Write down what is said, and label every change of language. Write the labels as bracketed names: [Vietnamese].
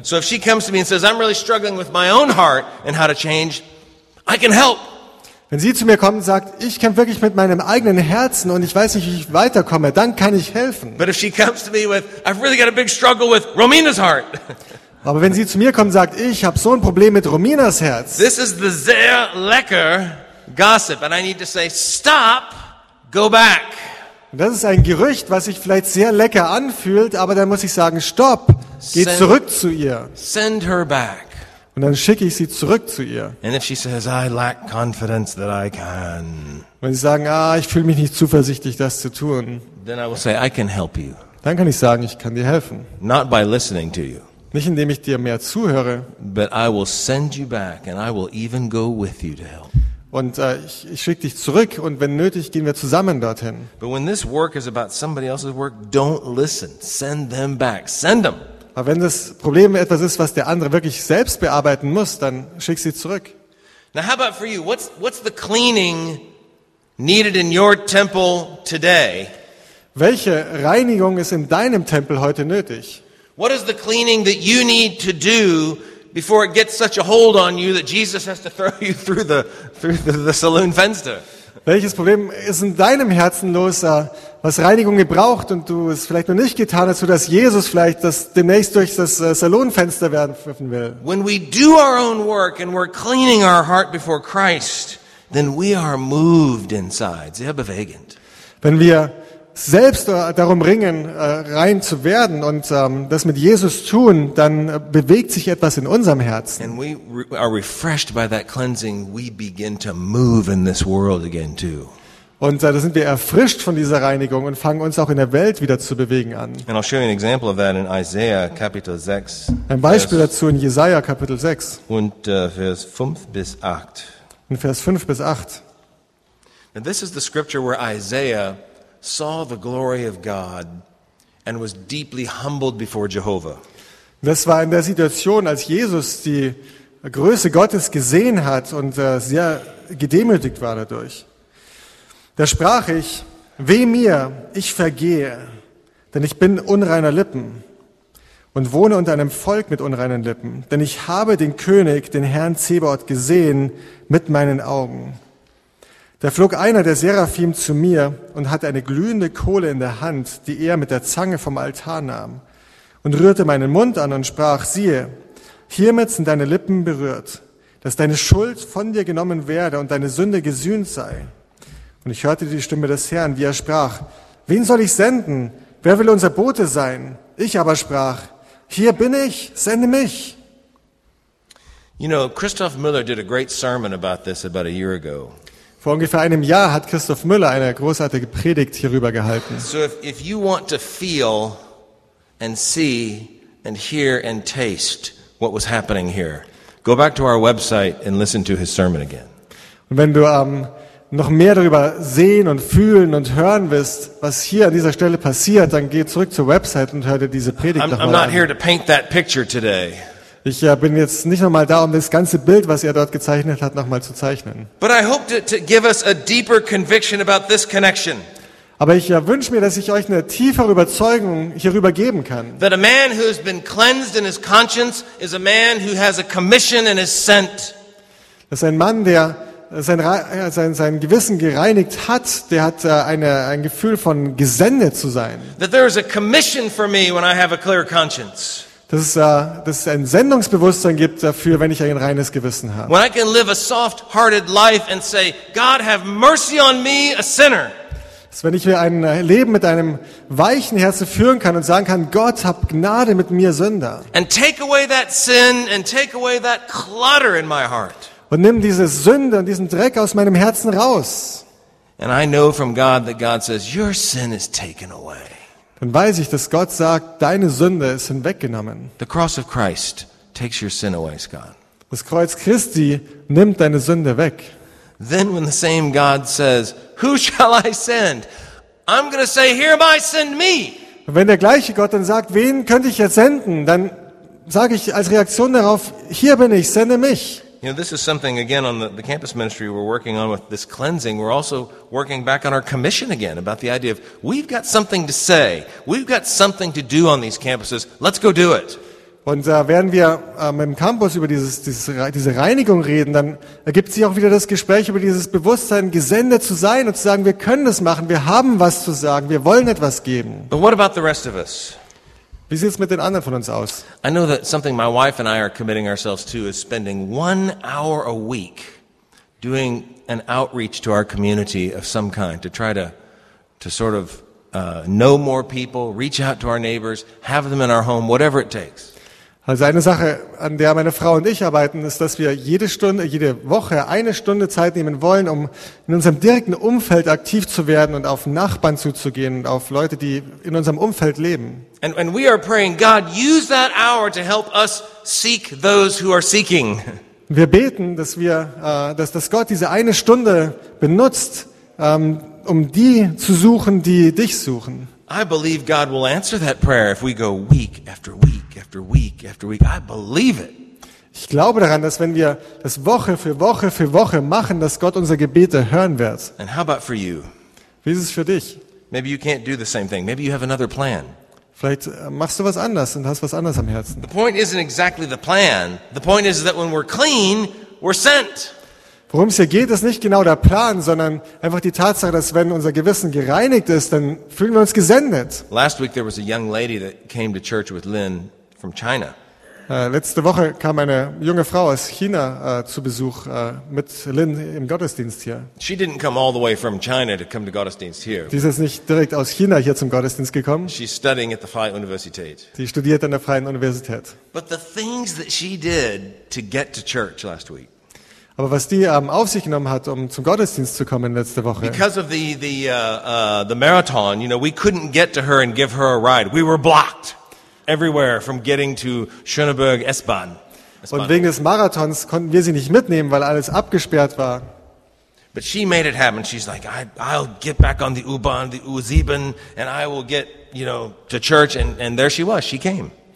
[English] So if she comes to me and says, I'm really struggling with my own heart and how to change, I can help. [German] Wenn sie zu mir kommt und sagt, ich kämpfe wirklich mit meinem eigenen Herzen und ich weiß nicht, wie ich weiterkomme, dann kann ich helfen. [English] But if she comes to me with, I've really got a big struggle with Romina's heart. [German] Aber wenn sie zu mir kommt und sagt, ich habe so ein Problem mit Romina's Herz. [English] This is the [German] sehr lecker [English] gossip and I need to say, stop, go back. [German] Das ist ein Gerücht, was sich vielleicht sehr lecker anfühlt, aber dann muss ich sagen, stopp, geh zurück zu ihr. [English] Send her back. [German] Und dann schicke ich sie zurück zu ihr. [English] And if she says, I lack confidence that I can. [German] Wenn sie sagen, ah, ich fühle mich nicht zuversichtlich, das zu tun. [English] Then I will say, I can help you. [German] Dann kann ich sagen, ich kann dir helfen. [English] Not by listening to you. [German] Nicht indem ich dir mehr zuhöre. [English] But I will send you back and I will even go with you to help. [German] Und ich schicke dich zurück und wenn nötig, gehen wir zusammen dorthin. [English] But when this work is about somebody else's work, don't listen. Send them back. Send them. [German] Aber wenn das Problem etwas ist, was der andere wirklich selbst bearbeiten muss, dann schick sie zurück. [English] Now how about for you? What's the cleaning needed in your temple today? [German] Welche Reinigung ist in deinem Tempel heute nötig? [English] What is the cleaning that you need to do before it gets such a hold on you that Jesus has to throw you through the saloon fenster? [German] Welches Problem ist in deinem Herzen los, was Reinigung gebraucht und du es vielleicht noch nicht getan hast, sodass Jesus vielleicht das demnächst durch das Saloonfenster werfen will? [English] When we do our own work and we're cleaning our heart before Christ, then we are moved inside, [German] sehr bewegend. Wenn wir selbst darum ringen, rein zu werden und das mit Jesus tun, dann bewegt sich etwas in unserem Herzen. [English] And we are refreshed by that cleansing, we begin to move in this world again too. [German] Und da sind wir erfrischt von dieser Reinigung und fangen uns auch in der Welt wieder zu bewegen an. [English] And I'll show you an example of that in Isaiah [German] Kapitel 6. Ein Beispiel dazu in Jesaja Kapitel 6. Und Vers 5 bis 8. In Vers 5 bis 8. [English] And this is the scripture where Isaiah saw the glory of God and was deeply humbled before Jehovah. [German] Das war in der Situation, als Jesus die Größe Gottes gesehen hat und sehr gedemütigt war dadurch. Da sprach ich: Weh mir, ich vergehe, denn ich bin unreiner Lippen und wohne unter einem Volk mit unreinen Lippen, denn ich habe den König, den Herrn Zebaoth, gesehen mit meinen Augen. Da flog einer der Seraphim zu mir und hatte eine glühende Kohle in der Hand, die er mit der Zange vom Altar nahm, und rührte meinen Mund an und sprach: Siehe, hiermit sind deine Lippen berührt, dass deine Schuld von dir genommen werde und deine Sünde gesühnt sei. Und ich hörte die Stimme des Herrn, wie er sprach: Wen soll ich senden? Wer will unser Bote sein? Ich aber sprach: Hier bin ich, sende mich. [English] You know, Christoph Müller did a great sermon about this about a year ago. [German] Vor ungefähr einem Jahr hat Christoph Müller eine großartige Predigt hierüber gehalten. [English] So if you want to feel and see and hear and taste what was happening here, go back to our website and listen to his sermon again. [German] Und wenn du noch mehr darüber sehen und fühlen und hören willst, was hier an dieser Stelle passiert, dann geh zurück zur Website und hör dir diese Predigt nochmal an. [English] I'm not here to paint that picture today. [German] Ich bin jetzt nicht nochmal da, um das ganze Bild, was er dort gezeichnet hat, nochmal zu zeichnen. [English] But I hope to give us a deeper conviction about this connection. [German] Aber ich wünsche mir, dass ich euch eine tiefere Überzeugung hierüber geben kann. [English] That a man who has been cleansed in his conscience is a man who has a commission and is sent. [German] Dass ein Mann, der sein Gewissen gereinigt hat, der hat ein Gefühl von gesendet zu sein. [English] That there is a commission for me when I have a clear conscience. [German] Dass es ein Sendungsbewusstsein gibt dafür, wenn ich ein reines Gewissen habe. [English] When I can live a soft-hearted life and say, God, have mercy on me, a sinner. [German] Dass wenn ich mir ein Leben mit einem weichen Herzen führen kann und sagen kann, Gott, hab Gnade mit mir, Sünder. [English] And take away that sin and take away that clutter in my heart. [German] Und nimm diese Sünde und diesen Dreck aus meinem Herzen raus. [English] And I know from God that God says, your sin is taken away. [German] Dann weiß ich, dass Gott sagt, deine Sünde ist hinweggenommen. [English] The cross of Christ takes your sin away, Scott. [German] Das Kreuz Christi nimmt deine Sünde weg. [English] Then when the same God says, who shall I send? I'm going to say, here am I, send me. [German] Und wenn der gleiche Gott dann sagt, wen könnte ich jetzt senden? Dann sage ich als Reaktion darauf, hier bin ich, sende mich. [English] You know, this is something again on the campus ministry we're working on with this cleansing. We're also working back on our commission again about the idea of we've got something to say. We've got something to do on these campuses. Let's go do it. [German] Und werden wir im Campus über diese Reinigung reden, dann ergibt sich auch wieder das Gespräch über dieses Bewusstsein, gesendet zu sein und zu sagen, wir können das machen. Wir haben was zu sagen. Wir wollen etwas geben. [English] But what about the rest of us? [German] Wie sieht's mit den anderen von uns aus? [English] I know that something my wife and I are committing ourselves to is spending 1 hour a week doing an outreach to our community of some kind to try to to sort of know more people, reach out to our neighbors, have them in our home, whatever it takes. [German] Also eine Sache, an der meine Frau und ich arbeiten, ist, dass wir jede Stunde, jede Woche eine Stunde Zeit nehmen wollen, um in unserem direkten Umfeld aktiv zu werden und auf Nachbarn zuzugehen und auf Leute, die in unserem Umfeld leben. [English] And we are praying, God, use that hour to help us seek those who are seeking. [German] Wir beten, dass wir, dass Gott diese eine Stunde benutzt, um die zu suchen, die dich suchen. [English] I believe God will answer that prayer if we go week after week after week after week. I believe it. [German] Ich glaube daran, dass wenn wir das Woche für Woche für Woche machen, dass Gott unsere Gebete hören wird. [English] And how about for you? [German] Wie ist es für dich? [English] Maybe you can't do the same thing. Maybe you have another plan. [German] Vielleicht machst du was anders und hast was anderes am Herzen. [English] The point isn't exactly the plan. The point is that when we're clean, we're sent. [German] Worum es hier geht, ist nicht genau der Plan, sondern einfach die Tatsache, dass wenn unser Gewissen gereinigt ist, dann fühlen wir uns gesendet. [English] Last week there was a young lady that came to church with Lynn from China. [German] Letzte Woche kam eine junge Frau aus China zu Besuch mit Lynn im Gottesdienst hier. [English] She didn't come all the way from China to come to Gottesdienst here. [German] Sie ist nicht direkt aus China hier zum Gottesdienst gekommen. [English] She's studying at the Freie Universität. [German] Sie studiert an der Freien Universität. [English] But the things that she did to get to church last week. [German] Aber was die auf sich genommen hat, um zum Gottesdienst zu kommen letzte Woche. [English] Because of the marathon, you know, we couldn't get to her and give her a ride. We were blocked everywhere from getting to Schöneberg S-Bahn. [German] Und wegen des Marathons konnten wir sie nicht mitnehmen, weil alles abgesperrt war. [English] But she made it happen. She's like, I'll get back on the U-Bahn, the U7, and I will get, you know, to church. And there she was. She came.